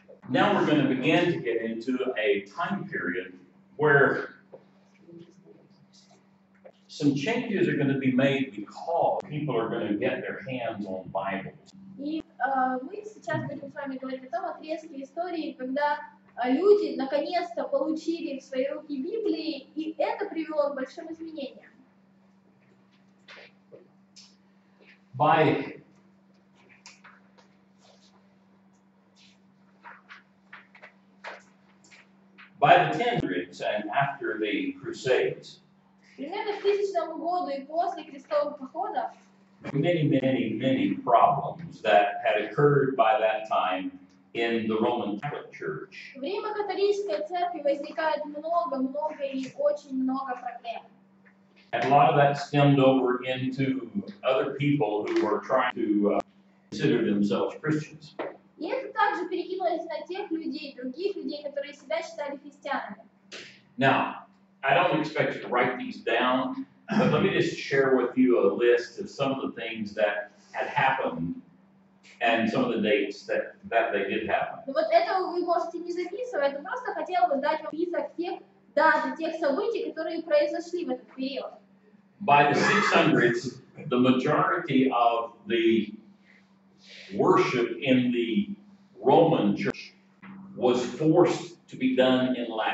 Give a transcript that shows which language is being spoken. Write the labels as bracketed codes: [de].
[en] Now we're going to begin to get into a time period where some changes are going to be made because people are going to get their hands on Bibles. [ru] И мы сейчас будем с вами говорить о том отрезке истории, когда люди наконец-то получили в свои руки Библии, и это привело к большим изменениям. [en] By the 1000s and after the Crusades, [ru] примерно в 1000 году и после крестовых походов, [en] many problems that had occurred by that time in the Roman Catholic Church. [ru] В Риме католической церкви возникает много и очень много проблем. [en] And a lot of that stemmed over into other people who were trying to consider themselves Christians. [ru] И это также перекинулось на тех людей, других людей, которые себя считали христианами. [en] Now, I don't expect you to write these down, but let me just share with you a list of some of the things that had happened and some of the dates that they did happen. [ru] Но вот этого вы можете не записывать, но просто хотела бы дать вам список тех дат и тех событий, которые произошли в этот период. [en] By the 600s, the majority of the worship in the Roman church was forced to be done in